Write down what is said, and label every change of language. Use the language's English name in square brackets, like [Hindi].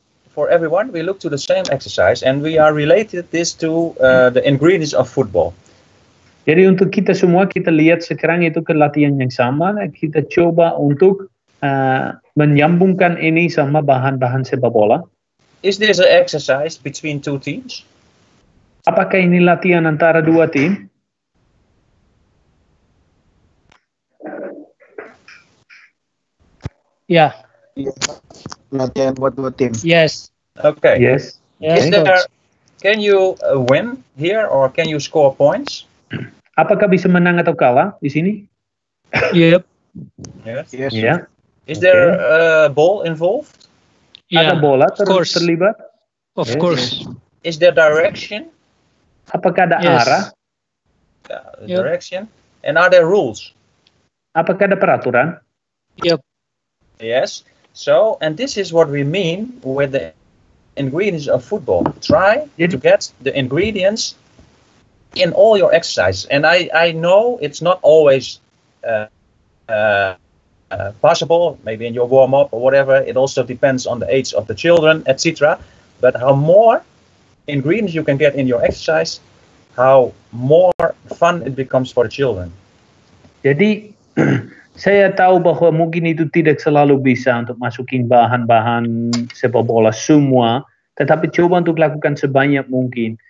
[English] For everyone, we look to the same exercise and we are related this to the ingredients of football. [Indonesian] Jadi untuk kita semua, kita lihat sekarang itu ke latihan yang sama. Kita coba untuk menyambungkan ini sama bahan-bahan sepak bola. [English] Is this an exercise between two teams? [Indonesian] Apakah ini latihan antara dua tim? Ya. Latihan buat dua tim. [English] Yes. Okay. Yes. Is there, can you win here or can you score points? [Indonesian] Apakah bisa menang atau kalah di sini? [English] Yep. Yes. Yes. Yeah. Is there a ball involved? [Indonesian] Yeah. Ada bola terlibat? [English] Of course. Is there direction? [Indonesian] Apakah ada arah? [English] Direction. And are there rules? [Indonesian] Apakah ada peraturan? [English] Yep. Yes. So, and this is what we mean with the ingredients of football. Try to get the ingredients in all your exercises. And I know it's not always possible, maybe in your warm-up or whatever. It also depends on the age of the children, etc. But how more ingredients you can get in your exercise, how more fun it becomes for the children. [Indonesian] Jadi, saya tahu bahwa mungkin itu tidak selalu bisa untuk masukin bahan-bahan sepak bola semua, tetapi coba untuk lakukan sebanyak mungkin.